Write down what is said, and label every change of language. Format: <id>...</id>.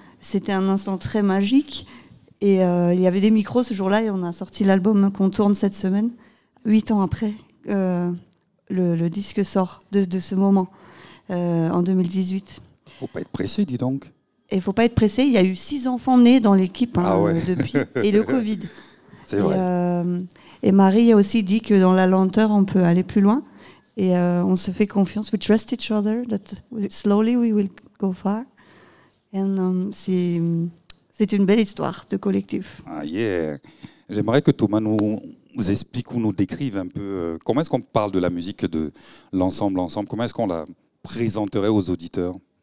<fr>C'était un instant très magique. Et il y avait des micros ce jour-là et on a sorti l'album qu'on tourne cette semaine, 8 ans après, le disque sort de ce moment, en 2018. Il ne faut pas être pressé, dis donc. Il ne faut pas être pressé. Il y a eu 6 enfants nés dans l'équipe depuis. Et le Covid. C'est vrai. Et Marie a aussi dit que dans la lenteur, on peut aller plus loin. Et on se fait confiance.</fr> <en>We trust each other that slowly we will go far.</en> <fr>And c'est une belle histoire de collectif.</fr> <en>Ah yeah.</en> <fr>J'aimerais que Thomas nous explique ou nous décrive un peu comment est-ce qu'on parle de la musique de l'ensemble. Comment est-ce qu'on la présenterait aux auditeurs?</fr>